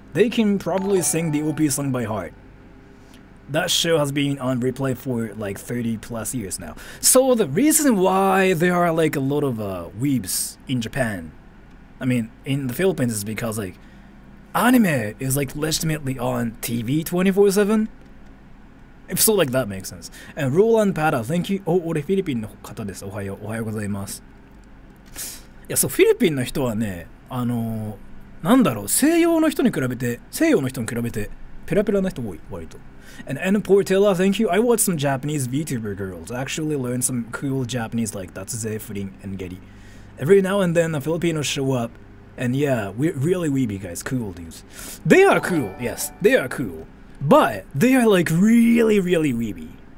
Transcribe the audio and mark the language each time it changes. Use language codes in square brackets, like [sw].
[en] They can probably sing the OP song by heart. That show has been on replay for like 30 plus years now. So the reason why there are like a lot of weebs in Japan, I mean in the Philippines, is because like anime is like legitimately on TV 24/7. If so, like that makes sense. And Roland Pada, thank you. [ja] Oh, 俺フィリピンの方です。おはよう、おはようございます。いや、そう、フィリピンの人はね、あの、なんだろう、西洋の人に比べて、西洋の人に比べて、ペラペラな人多い、割と。 [en] And Anna Portella, thank you. I watched some Japanese VTuber girls. Actually learned some cool Japanese like Datsuze, Furin, and Geri. Every now and then, the Filipinos show up. And yeah, we're really weeby guys, cool dudes. They are cool, yes, they are cool. But they are like really, really weeby.